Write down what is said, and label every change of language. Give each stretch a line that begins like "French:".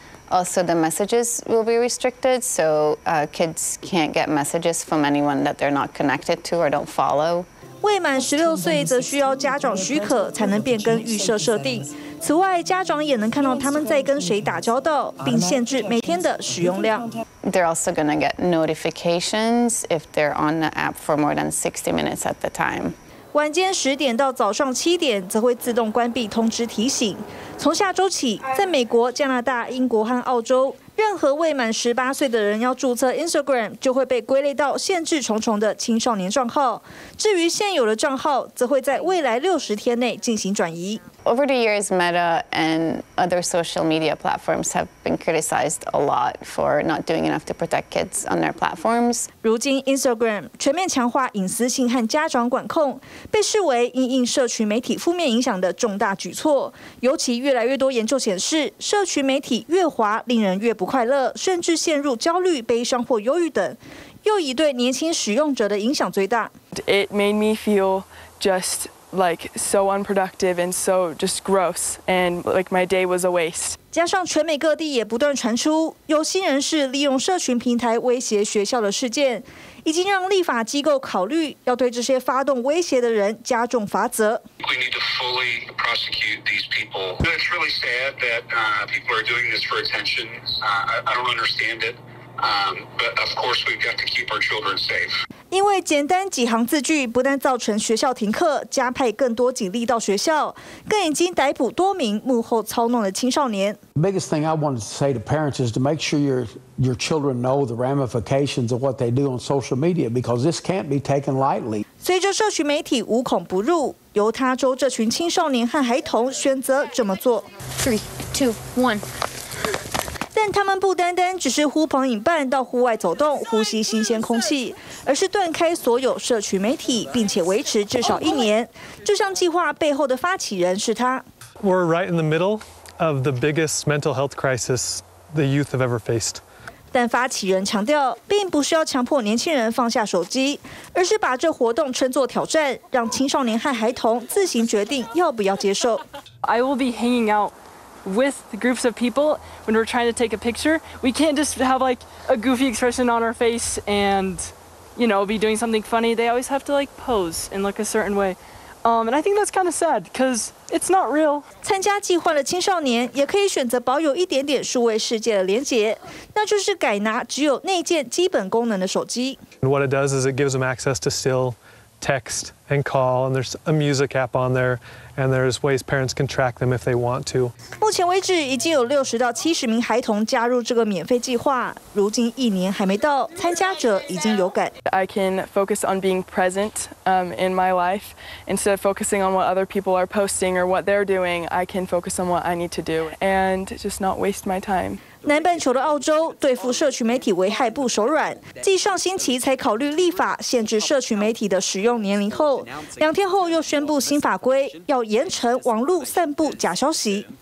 English: Also, the messages will be restricted, so kids can't get messages from anyone that they're not connected to or don't follow.
Chinese: 未满16岁则需要家长许可才能变更预设设定。此外，家长也能看到他们在跟谁打交道，并限制每天的使用量。
English: They're also going to get notifications if they're on the app for more than 60 minutes at the time.
Chinese: 晚间10点到早上7点则会自动关闭通知提醒。从下周起，在美国、加拿大、英国和澳洲，任何未满18岁的人要注册 Instagram， 就会被归类到限制重重的青少年账号。至于现有的账号，则会在未来60天内进行转移。
English: Over the years, Meta and other social media platforms have been criticized a lot for not doing enough to protect kids on their platforms.
Chinese: 如今 ，Instagram 全面强化隐私性和家长管控，被视为因应社群媒体负面影响的重大举措。尤其越来越多研究显示，社群媒体越滑，令人越不快乐，甚至陷入焦虑、悲伤或忧郁等，又以对年轻使用者的影响最大。
English: It made me feel just. Like so unproductive and so just gross, and like my day was a waste.
Chinese: 加上全美各地也不断传出有新人士利用社群平台威胁学校的事件，已经让立法机构考虑要对这些发动威胁的人加重罚则。
English: We need to fully prosecute these people. It's really sad that people are doing this for attention. I don't understand it. But of course, we've got to keep our children safe.
Chinese: 因为简单几行字句，不但造成学校停课，加派更多警力到学校，更已经逮捕多名幕后操弄的青少年。
English: The biggest thing I want to say to parents is to make sure your children know the ramifications of what they do on social media, because this can't be taken lightly.
Chinese: 随着社群媒体无孔不入，犹他州这群青少年和孩童选择这么做。 3, 2, 1。但他们不单单只是呼朋引伴到户外走动、呼吸新鲜空气，而是断开所有社群媒体，并且维持至少1年。这项计划背后的发起人是他。
English: We're right in the middle of the biggest mental health crisis the youth have ever faced.
Chinese: 但发起人强调，并不是要强迫年轻人放下手机，而是把这活动称作挑战，让青少年和孩童自行决定要不要接受。
English: I will be hanging out with the groups of people when we're trying to take a picture. We can't just have like a goofy expression on our face and, you know, be doing something funny. They always have to like pose and look a certain way. And I think that's kind of sad because it's not real.
Chinese: 参加计划的青少年也可以选择保有一点点数位世界的连结，那就是改拿只有内建基本功能的手机。
English: And what it does is it gives them access to still text and call, and there's a music app on there. And there's ways parents can track them if they want to.
Chinese: 目前为止，已经有60到70名孩童加入这个免费计划。如今一年还没到，参加者已经有感。
English: I can focus on being present in my life instead of focusing on what other people are posting or what they're doing. I can focus on what I need to do and just not waste my time.
Chinese: 南半球的澳洲对付社群媒体危害不手软，继上星期才考虑立法限制社群媒体的使用年龄后，两天后又宣布新法规，要严惩网路散布假消息。